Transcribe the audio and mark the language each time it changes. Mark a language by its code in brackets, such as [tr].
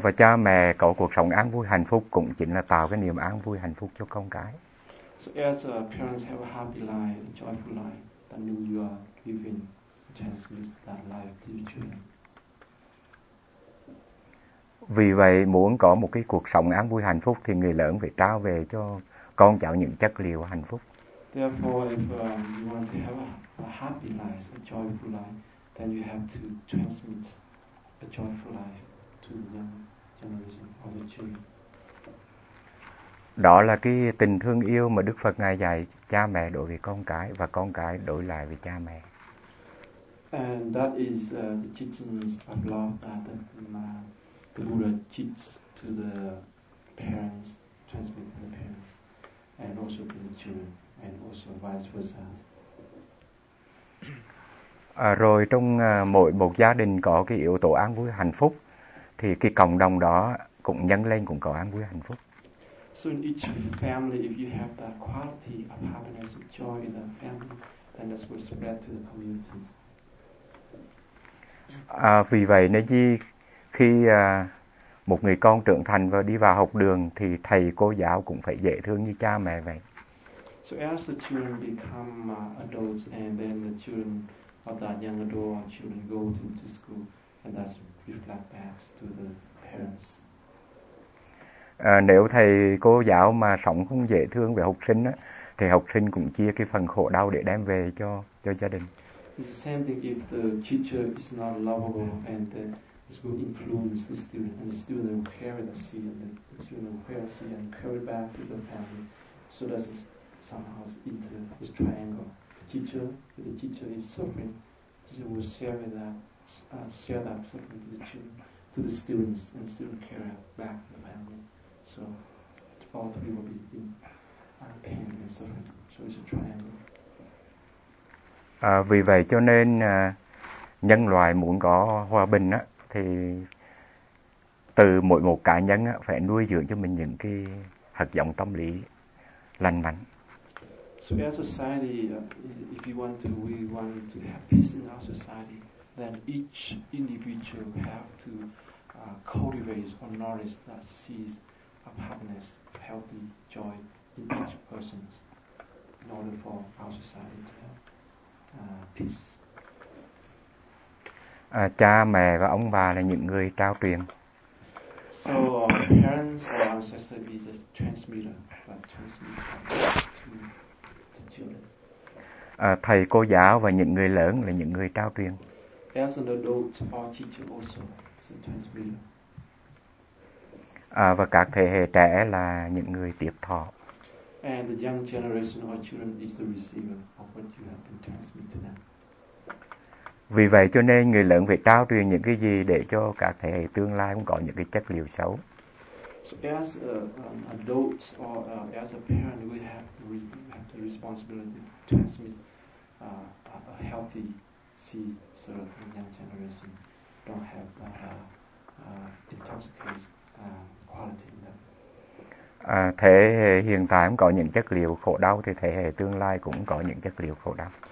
[vi] Và cha mẹ có cuộc sống an vui hạnh phúc cũng chính là tạo cái niềm an vui hạnh phúc cho con cái. [en] So as parents have a happy life, a joyful life, then you are giving transmit that life to your children. [vi] Vì vậy muốn có một cái cuộc sống an vui hạnh phúc thì người lớn phải trao về cho con cháu những chất liệu hạnh phúc. [en] Therefore, if you want to have a happy life, a joyful life, then you have to transmit a joyful life. [vi] Đó là cái tình thương yêu mà Đức Phật Ngài dạy cha mẹ đối với con cái và con cái đối lại với cha mẹ. [en] And that is the teachings of love that the Buddha teaches to the parents, transmit to the parents, and also to the children, and also vice versa. [vi] Rồi trong mỗi một gia đình có cái yếu tố an vui hạnh phúc, thì cái cộng đồng đó cũng nhân lên cũng có an vui hạnh phúc. [en] So in each family, if you have that quality of happiness and joy in the family, then that will spread to the communities. [vi] Vì vậy nên khi một người con trưởng thành và đi vào học đường thì thầy cô giáo cũng phải dễ thương như cha mẹ vậy. [en] So as the children become adults and then the children of that young adult children go to school and that's reflect back to the parents. [vi] Nếu thầy cô giáo mà sống không dễ thương với học sinh á, thì học sinh cũng chia cái phần khổ đau để đem về cho gia đình. [en] It's the same thing if the teacher is not lovable and the school influence the student and the student will carry the seed and the student will carry the seed and carry it back to the family. So that's somehow into this triangle. The teacher, if the teacher is suffering, the teacher will share that suffering to the children, to the students, and the student carry it back to the family. So all three will be in pain and suffering. So it's a triangle. [vi] Vì vậy cho nên nhân loại muốn có hòa bình á, thì từ mỗi một cá nhân á, phải nuôi dưỡng cho mình những cái hạt giống tâm lý lành mạnh. [en] So as a society, if we want to have peace in our society, then each individual have to cultivate or nourish that seed of happiness, healthy joy in each person in order for our society to have peace. [vi] Cha mẹ và ông bà là những người trao truyền. [en] So parents or ancestors is a transmitter, but transmitter to children. [vi] Thầy cô giáo và những người lớn là những người trao truyền. [en] As an adult or teacher also is a transmitter. [vi] Và các thế hệ trẻ là những người tiếp thọ. [en] And the young generation or children is the receiver of what you have been transmitted to them. [vi] Vì vậy cho nên người lớn phải trao truyền những cái gì để cho các thế hệ tương lai không có những cái chất liệu xấu. [en] So as an adult or as a parent, we have the responsibility to transmit a healthy seed so that the young generation don't have intoxicated quality in them. [vi] Thế hệ hiện tại cũng có những chất liệu khổ đau thì thế hệ tương lai cũng có những chất liệu khổ đau.